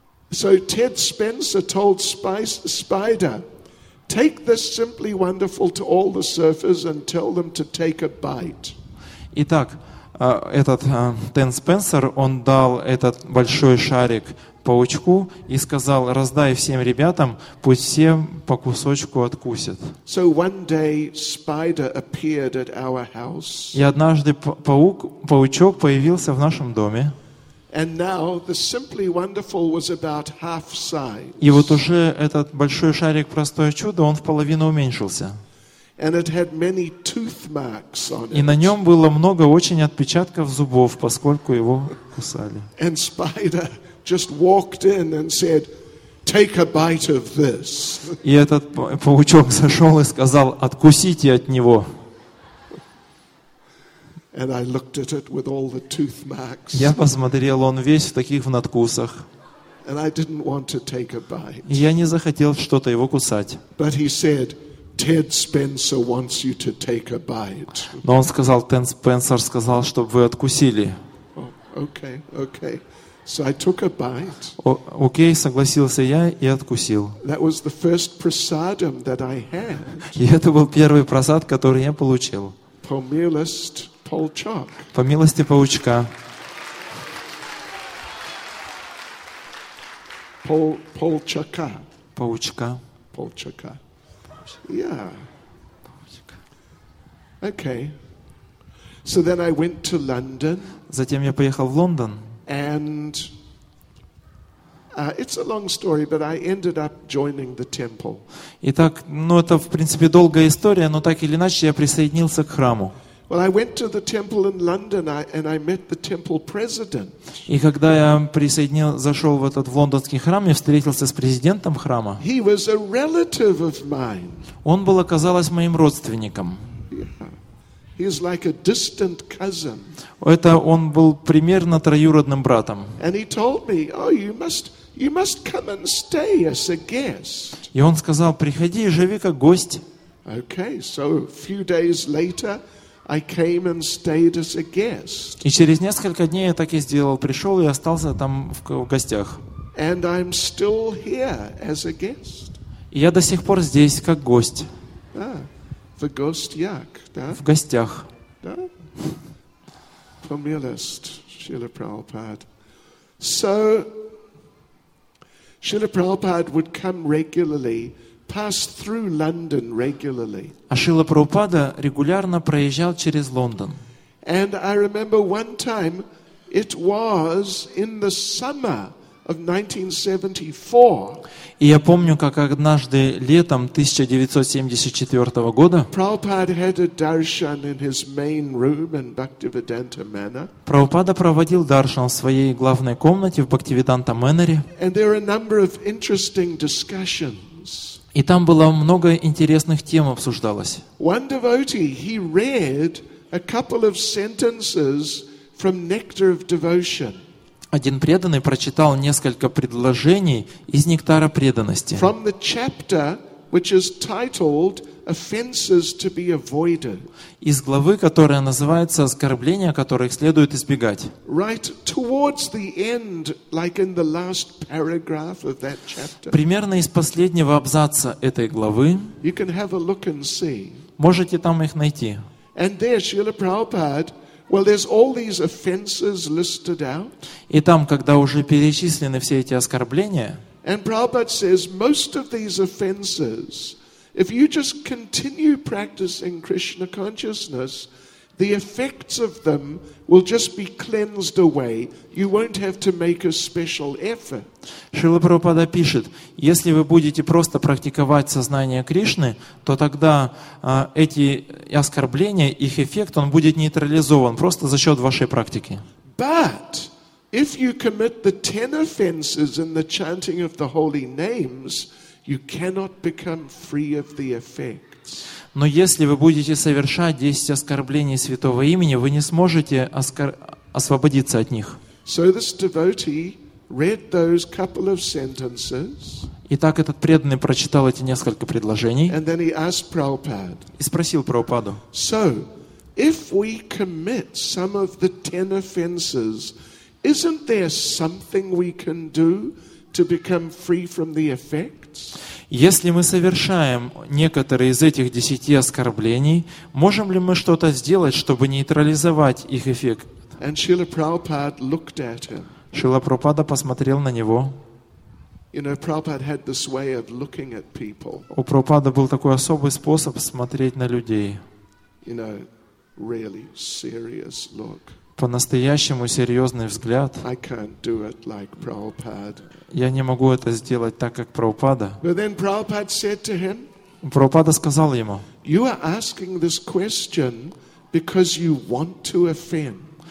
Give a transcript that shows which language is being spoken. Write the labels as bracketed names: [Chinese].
[English] So Ted Spencer told Spider, take this simply wonderful to all the surfers and tell them to take a bite. [Russian] Итак, этот Тед Спенсер, он дал этот большой шарик паучку и сказал: раздай всем ребятам, пусть все по кусочку откусят. [English] So one day Spider appeared at our house. [Russian] И однажды паучок появился в нашем доме. [English] And now the Simply Wonderful was about half size. [Russian] И вот уже этот большой шарик «Простое чудо», он в половину уменьшился. [English] And it had many tooth marks on it. [Russian] И на нем было много очень отпечатков зубов, поскольку его кусали. [English] And Spider just walked in and said, "Take a bite of this." [Russian] И этот паучок зашел и сказал: "Откусите от него." [English] And I looked at it with all the tooth marks. [Russian] Я посмотрел, он весь в таких надкусах. [English] And I didn't want to take a bite. [Russian] Я не захотел что-то его кусать. [English] But he said, "Ted Spencer wants you to take a bite." [Russian] Но он сказал, Тед Спенсер сказал, чтобы вы откусили. [English] Okay. So I took a bite. [Russian] Окей, согласился я и откусил. [English] That was the first prasadam that I had. [Russian] И это был первый прасад, который я получил. По милости паучка. Полчака. Паучка. Полчака. Yeah. [English] Okay. So then I went to London. [Russian] Затем я поехал в Лондон. [English] And it's a long story, but I ended up joining the temple. [Russian] Итак, ну это в принципе долгая история, но так или иначе я присоединился к храму. [English] Well, I went to the temple in London, and I met the temple president. [Russian] И когда я зашел в этот в лондонский храм, я встретился с президентом храма. [English] He was a relative of mine. [Russian] Он был, оказалось, моим родственником. [English] He's like a distant cousin. [Russian] Это он был примерно троюродным братом. [English] And he told me, "Oh, you must come and stay as a guest." [Russian] И он сказал: "Приходи и живи как гость." [English] Okay, so a few days later, I came and stayed as a guest. [Russian] И через несколько дней я так и сделал, пришел и остался там в гостях. [English] And I'm still here as a guest. [Russian] И я до сих пор здесь как гость. The ghost yak, да? В гостях. Да? По милости, Шрила Прабхупад. [English] So, Шрила Прабхупад would come regularly, pass through London regularly. [Russian] А Шрила Прабхупада регулярно проезжал через Лондон. [English] And I remember one time, it was in the summer of 1974. [Russian] И я помню, как однажды летом 1974 года [English] Prabhupada had a darshan in his main room in Bhaktivedanta Manor. [Russian] Prabhupada проводил даршан в своей главной комнате в Бхактивиданта Мэннере. [English] And there were a number of interesting discussions. [Russian] И там было много интересных тем обсуждалось. [English] One devotee, he read a couple of sentences from Nectar of Devotion. [Russian] Один преданный прочитал несколько предложений из «Нектара преданности». [English] From the chapter, which is titled «Offenses to be avoided». [Russian] Из главы, которая называется «Оскорбления, которых следует избегать». [English] Right towards the end, like in the last paragraph of that chapter. [Russian] Примерно из последнего абзаца этой главы. [English] You can have a look and see. [Russian] Можете там их найти. [English] And there, Srila Prabhupada. Well, there's all these offenses listed out. [Russian] И там, когда уже перечислены все эти оскорбления. [English] And Prabhupada says most of these offenses, if you just continue practicing Krishna consciousness, the effects of them will just be cleansed away. You won't have to make a special effort. [Russian] Шрила Прабхупада пишет: если вы будете просто практиковать сознание Кришны, то тогда эти оскорбления, их эффект, он будет нейтрализован просто за счет вашей практики. [English] But if you commit the 10 offenses in the chanting of the holy names, you cannot become free of the effects. [Russian] Но если вы будете совершать 10 оскорблений святого имени, вы не сможете освободиться от них. [English] So this devotee read those couple of sentences. [Russian] Итак, этот преданный прочитал эти несколько предложений. [English] And then he asked Prabhupada. [Russian] И спросил Прабхупаду. [English] So, if we commit some of the 10 offenses, isn't there something we can do to become free from the effects? [Russian] Если мы совершаем некоторые из этих 10 оскорблений, можем ли мы что-то сделать, чтобы нейтрализовать их эффект? [English] And Srila Prabhupada looked at him. [Russian] Шрила Прабхупада посмотрел на него. [English] You know, Prabhupada had this way of looking at people. [Russian] У Прабхупады был такой особый способ смотреть на людей. [English] You know, really serious look. [Russian] По-настоящему серьезный взгляд. [English] I can't do it like Prabhupada. [Russian] Я не могу это сделать так, как Прабхупада. [English] But then Prabhupada said to him, [Russian] Прабхупада сказал ему, [English] you are asking this question because you want to offend.